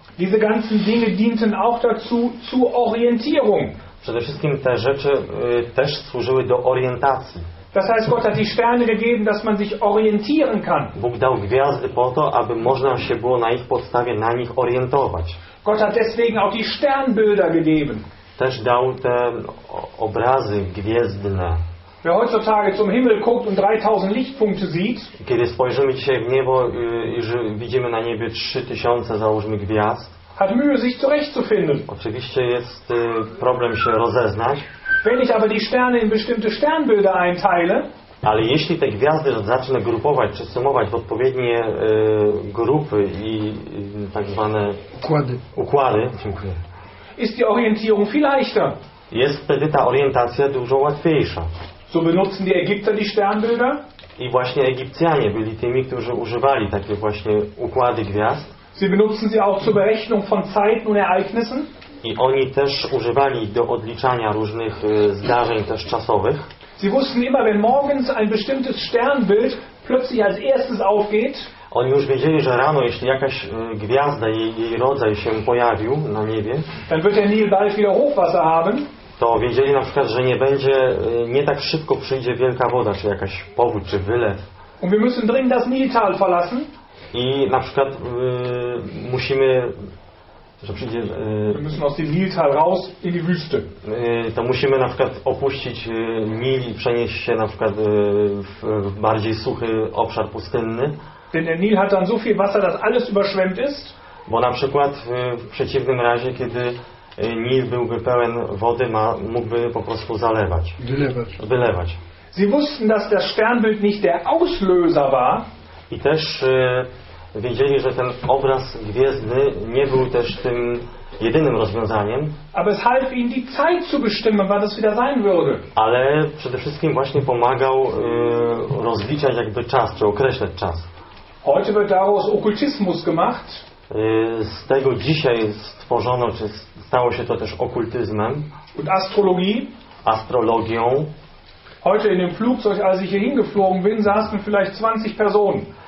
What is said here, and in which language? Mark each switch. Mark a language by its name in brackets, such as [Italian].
[German] Diese ganzen Dinge dienten auch dazu zu Orientierung. [Polish] Przede wszystkim te rzeczy też służyły do orientacji. [German] Das heißt, Gott hat die Sterne gegeben, dass man sich orientieren kann. [Polish] Bóg dał gwiazdy po to, aby można się było na ich podstawie na nich orientować. [German] Gott hat deswegen auch die Sternbilder gegeben. [Polish] Też dał te obrazy gwiezdne. [German] Wer heutzutage zum Himmel guckt und 3000 Lichtpunkte sieht, [Polish] kiedy spojrzymy dzisiaj w niebo i widzimy na niebie 3000 załóżmy gwiazd, [German] hat Mühe sich zurechtzufinden. [Polish] Oczywiście jest problem się rozeznać. [German] Wenn ich aber die Sterne in bestimmte Sternbilder einteile, [Polish] ale jeśli te gwiazdy zacznę grupować czy sumować w odpowiednie grupy i tak zwane układy, dziękuję, [German] ist die Orientierung viel leichter. [Polish] Jest wtedy ta orientacja dużo łatwiejsza. [German] So benutzen die Ägypter die Sternbilder. [Polish] I właśnie Egipcjanie byli tymi, którzy używali takie właśnie układy gwiazd. [German] Sie benutzen sie auch zur Berechnung von Zeiten und Ereignissen. [Polish] I oni też używali do odliczania różnych zdarzeń też czasowych. [German] Sie wussten immer, wenn morgens ein bestimmtes Sternbild plötzlich als erstes aufgeht. [Polish] Oni już wiedzieli, że rano, jeśli jakaś gwiazda, jej rodzaj się pojawił na niebie, [German] dann wird der Nil bald wieder Hochwasser haben. [Polish] To wiedzieli na przykład, że nie będzie, nie tak szybko przyjdzie wielka woda, czy jakaś powódź, czy wylew. [German] Und wir müssen dringend das Niltal verlassen. [Polish] I na przykład musimy, że przyjdzie. [German] Wir müssen aus dem Niltal raus in die Wüste. [Polish] To musimy na przykład opuścić Nil i przenieść się na przykład w bardziej suchy obszar pustynny. [German] Denn der Nil hat dann so viel Wasser, dass alles überschwemmt ist. [Polish] Bo na przykład w przeciwnym razie, kiedy Nil byłby pełen wody, mógłby po prostu zalewać. Wylewać. [German] Sie wussten, dass das Sternbild nicht der Auslöser war. [Polish] I też wiedzieli, że ten obraz gwiezdny nie był też tym jedynym rozwiązaniem. [German] Aber es half ihnen die Zeit zu bestimmen, wann das wieder sein würde. [Polish] Ale przede wszystkim właśnie pomagał rozliczać jakby czas, czy określać czas. [German] Heute wird daraus Okkultismus gemacht. [Polish] Z tego dzisiaj stworzono, czy stało się to też okultyzmem. [German] Und Astrologie. [Polish] Astrologią. [German] Heute in dem Flugzeug, als ich hier hingeflogen bin, saßen vielleicht 20 Personen.